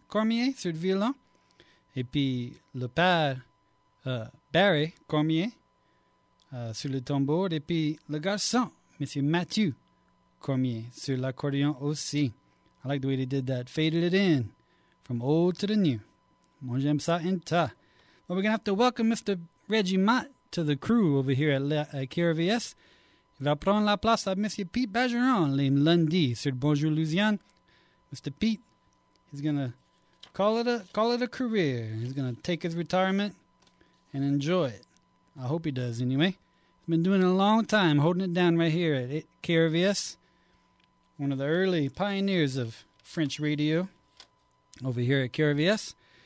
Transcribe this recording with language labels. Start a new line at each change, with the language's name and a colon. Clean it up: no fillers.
French: Cormier sur le violon, et puis Le Père Barry Cormier sur le tambour, et puis Le Garçon, Monsieur Mathieu Cormier, sur l'accordion aussi.
English: I like the way they did that. Faded it in from old to the new.
French: Moi j'aime ça en ta.
English: Well, we're going to have to welcome Mr. Reggie Mott to the crew over here at KRVS.
French: Il va prendre la place à Monsieur Pete Bergeron le lundi sur Bonjour Louisiane.
English: Mr. Pete, he's going to call it a career. He's going to take his retirement and enjoy it. I hope he does anyway. He's been doing it a long time, holding it down right here at KRVS. One of the early pioneers of French radio over here at KRVS.